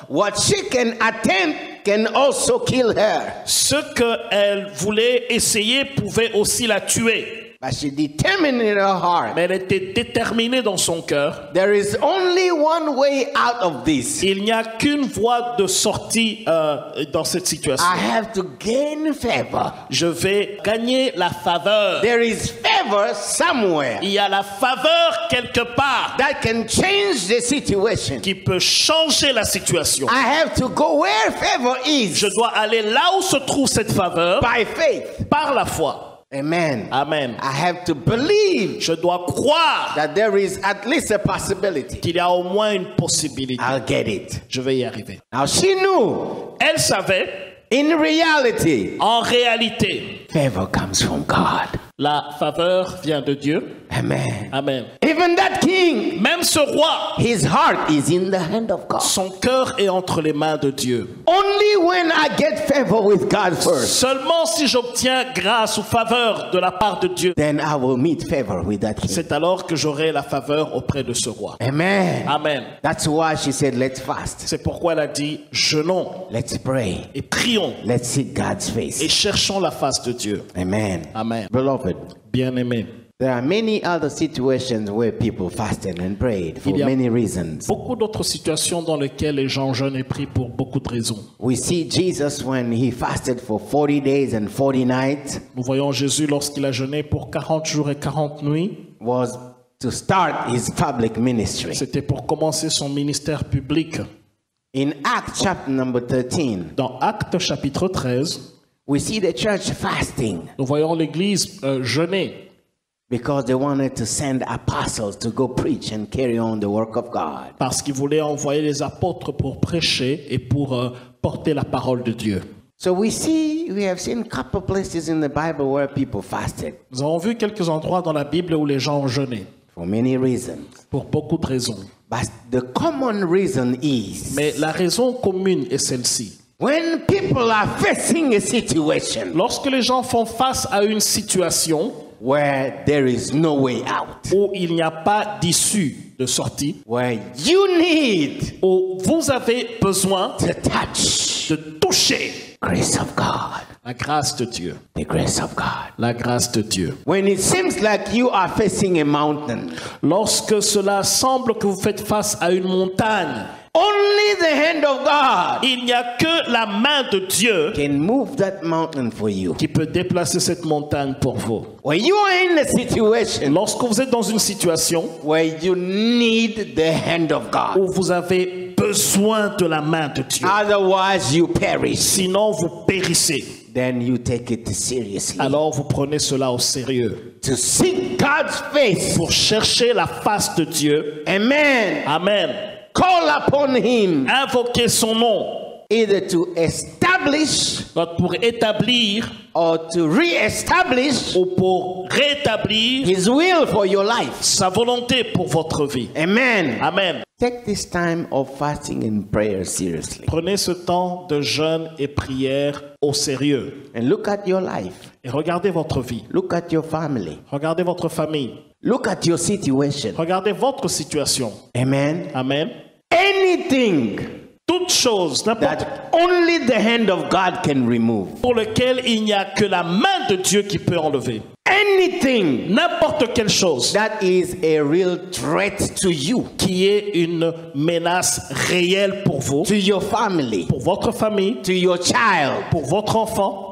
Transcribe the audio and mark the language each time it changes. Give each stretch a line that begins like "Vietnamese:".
English: What she can attempt can also kill her.
French: Ce qu'elle voulait essayer pouvait aussi la tuer.
English: But she determined in her heart.
French: Mais elle était déterminée dans son cœur.
English: There is only one way out of this.
French: Il n'y a qu'une voie de sortie dans cette situation.
English: I have to gain favor.
French: Je vais gagner la faveur.
English: There is favor somewhere.
French: Il y a la faveur quelque part.
English: That can change the situation.
French: Qui peut changer la situation.
English: I have to go where favor is.
French: Je dois aller là où se trouve cette faveur.
English: By faith.
French: Par la foi.
English: Amen.
French: Amen.
English: I have to believe.
French: Je dois croire
English: that there is at least a possibility.
French: Qu'il y a au moins une possibilité.
English: I'll get it.
French: Je vais y arriver.
English: Now she knew.
French: Elle savait.
English: In reality.
French: En réalité.
English: Favor comes from God.
French: La faveur vient de Dieu.
English: Amen.
French: Amen.
English: Even that king.
French: Même ce roi.
English: His heart is in the hand of God.
French: Son cœur est entre les mains de Dieu.
English: Only when I get favor with God first.
French: Seulement si j'obtiens grâce ou faveur de la part de Dieu.
English: Then I will meet favor with that king.
French: C'est alors que j'aurai la faveur auprès de ce roi.
English: Amen.
French: Amen.
English: That's why she said, "Let's fast."
French: C'est pourquoi elle a dit, jeûnons.
English: Let's pray.
French: Et prions.
English: Let's seek God's face.
French: Et cherchons la face de Dieu.
English: Amen.
French: Amen.
English: Beloved.
French: Bien-aimé.
English: There are many other situations where people fasted and prayed for many reasons.
French: Beaucoup d'autres situations dans lesquelles les gens jeûnent et prient pour beaucoup de raisons.
English: We see Jesus when he fasted for 40 days and 40 nights.
French: Nous voyons Jésus lorsqu'il a jeûné pour 40 jours et 40 nuits.
English: Was to start his public ministry.
French: C'était pour commencer son ministère public.
English: In Acts chapter number 13.
French: Dans Actes chapitre 13.
English: We see the church fasting.
French: Nous voyons l'église jeûner.
English: Because they wanted to send apostles to go preach and carry on the work of God.
French: Parce qu'ils voulaient envoyer les apôtres pour prêcher et pour porter la parole de Dieu.
English: So we have seen a couple places in the Bible where people fasted.
French: Nous avons vu quelques endroits dans la Bible où les gens ont jeûné.
English: For many reasons.
French: Pour beaucoup de raisons.
English: But the common reason is.
French: Mais la raison commune est celle-ci.
English: When people are facing a situation.
French: Lorsque les gens font face à une situation.
English: Where there is no way out.
French: Où il n'y a pas d'issue de sortie.
English: Where you need.
French: Où vous avez besoin.
English: To touch.
French: De toucher.
English: Grace of God.
French: La grâce de Dieu.
English: The grace of God.
French: La grâce de Dieu.
English: When it seems like you are facing a mountain.
French: Lorsque cela semble que vous faites face à une montagne.
English: Only the hand of God.
French: Il n'y a que la main de Dieu.
English: Can move that mountain for you.
French: Qui peut déplacer cette montagne pour vous.
English: When you are in a situation.
French: Lorsque vous êtes dans une situation.
English: Where you need the hand of God.
French: Où vous avez besoin de la main de Dieu.
English: Otherwise you perish.
French: Sinon vous périssez.
English: Then you take it seriously.
French: Alors vous prenez cela au sérieux.
English: To seek God's face.
French: Pour chercher la face de Dieu.
English: Amen.
French: Amen.
English: Call upon him.
French: Invoquer son nom.
English: Either to establish.
French: Soit pour établir.
English: Or to re-establish.
French: Ou pour rétablir.
English: His will for your life.
French: Sa volonté pour votre vie.
English: Amen.
French: Amen.
English: Take this time of fasting and prayer seriously.
French: Prenez ce temps de jeûne et prière au sérieux.
English: And look at your life.
French: Et regardez votre vie.
English: Look at your family.
French: Regardez votre famille.
English: Look at your situation.
French: Regardez votre situation.
English: Amen.
French: Amen.
English: Anything.
French: Toute chose.
English: That only the hand of God can remove.
French: Pour lequel il n'y a que la main de Dieu qui peut enlever.
English: Anything.
French: N'importe quelle chose.
English: That is a real threat to you.
French: Qui est une menace réelle pour vous.
English: To your family.
French: Pour votre famille.
English: To your child.
French: Pour votre enfant.